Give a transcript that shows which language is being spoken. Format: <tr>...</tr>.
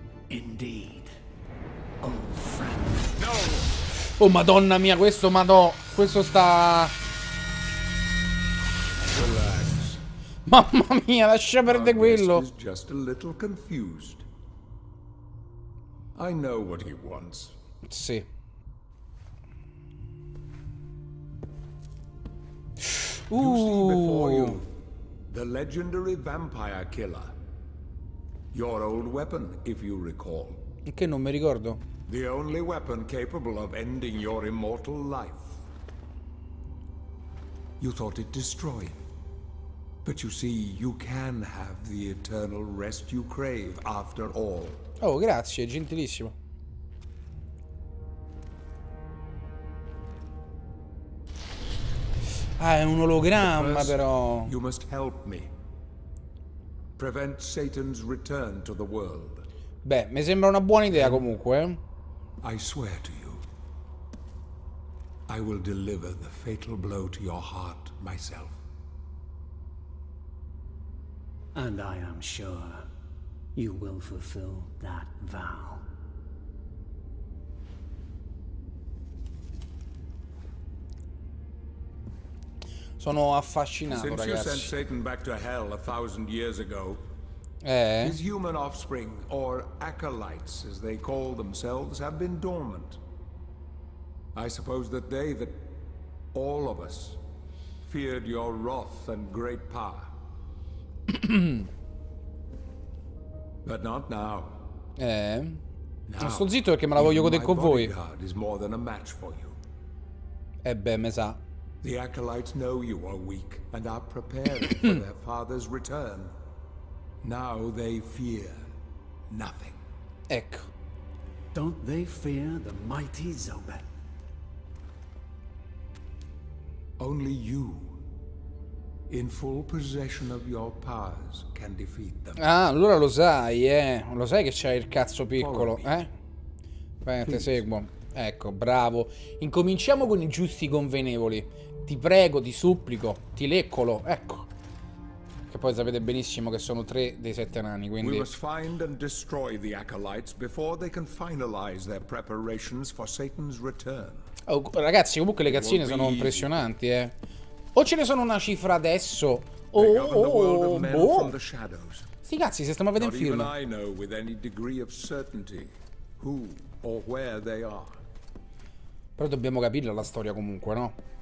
<en>Indeed. Oh, friend. No!</en> <it>Oh, madonna mia, questo, questo sta...</it> <en>Relax.</en> <it>Mamma mia, lascia perdere quello.</it> <en>Is just a little confused. I know what he wants.</en> <it>Sì.</it> <en>You see before you the legendary vampire killer. Your old weapon, if you recall.</en> <it>Che non mi ricordo.</it> <en>The only weapon capable of ending your immortal life. You thought it destroyed. But you see, you can have the eternal rest you crave after all.</en> <it>Oh, grazie, gentilissimo. Ah, è un ologramma, però.</it> <en>You must help me. Prevent Satan's return to the world.</en> <it>Beh, mi sembra una buona idea comunque.</it> <en>I swear to you. I will deliver the fatal blow to your heart myself. And I am sure you will fulfill that vow.</en> <it>Sono affascinato,</it> <en>since</en> <it>ragazzi.</it> <en>You sent Satan back to hell 1,000 years ago. His human offspring, or acolytes as they call themselves, have been dormant. I suppose that they, that all of us, feared your wrath and great power. But not now.</en> <it>Non sto zitto perché me la voglio godere con voi.</it> <en>My bodyguard is more than a match for you.</en> <it>Beh, me sa.</it> <en>The acolytes know you are weak and are prepared for their father's return. Now they fear nothing.</en> <it>Ecco.</it> <en>Don't they fear the mighty Zobel? Only you, in full possession of your powers, can defeat them.</en> <it>Ah, allora lo sai, eh. Lo sai che c'hai il cazzo piccolo, eh? Vai, te seguo. Ecco, bravo. Incominciamo con i giusti convenevoli. Ti prego, ti supplico, ti leccolo, ecco. Che poi sapete benissimo che sono tre dei sette nani, quindi...</it> <en>We must find and destroy the acolytes before they can finalize their preparations for Satan's return.</en> <it>Oh, ragazzi, comunque le cazzine sono impressionanti, eh. O ce ne sono una cifra adesso, o... Sti cazzi, se stiamo a vedere un film.</it> <en>Not even I know with any degree of certainty who or where they are.</en> <it>Però dobbiamo capirla la storia comunque, no?</it>